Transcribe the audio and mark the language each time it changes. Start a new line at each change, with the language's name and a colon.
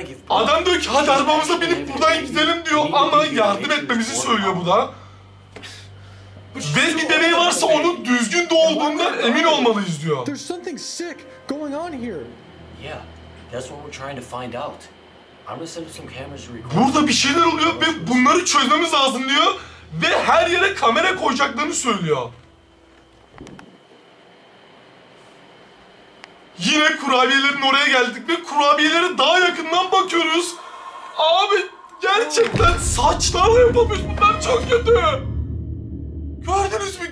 Turkish: Adam diyor ki hadi arabamıza binip buradan gidelim diyor. Ama yardım etmemizi söylüyor bu da. Ve bir deney varsa onun düzgün doğduğundan emin olmalıyız diyor.
English: There's something sick going on here. Yeah, that's what we're trying to find out. I'm gonna set up some cameras to record.
Turkish: Burada bir şeyler oluyor ve bunları çözmemiz lazım diyor. Ve her yere kamera koyacaklarını söylüyor. Yine kurabiyelerin oraya geldik ve kurabiyelere daha yakından bakıyoruz. Abi gerçekten saçlarla yapılmış bunlar çok kötü. Gördünüz mü?